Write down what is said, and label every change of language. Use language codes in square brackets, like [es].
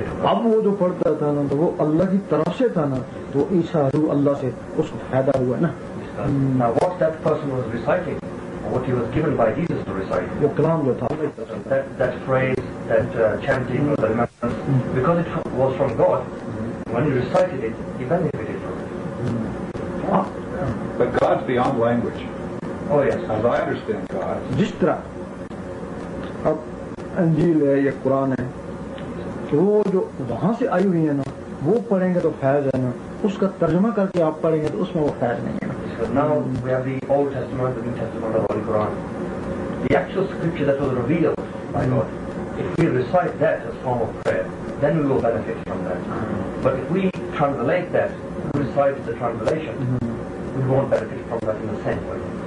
[ur] اب وہ جو پڑھتا تھا نا، تو وہ اللہ کی طرف سے تھا نا، تو عیسیٰ روح اللہ سے اس کو فائدہ ہوا نا. [en] What that person was reciting, what he was given by Jesus to recite, [ur] وہ کلام جو تھا، [en] that phrase, that chanting, the remembrance, because it was from God, when he recited it, he benefited from it. But God's beyond language. Oh yes. As I understand God. [ur] جس طرح اب انجیل ہے یا قرآن ہے، وہ جو وہاں سے آئی ہوئی ہے نا، وہ پڑھیں گے تو فیض ہے نا، اس کا ترجمہ کر کے آپ پڑھیں گے تو اس میں وہ فیض نہیں ہے. [en] Now we have the Old Testament, the New Testament, the Holy Quran. The actual scripture that was revealed by God, if we recite that as a form of prayer, then we will benefit from that. But if we translate that, recite the translation, we won't benefit from that in the same way.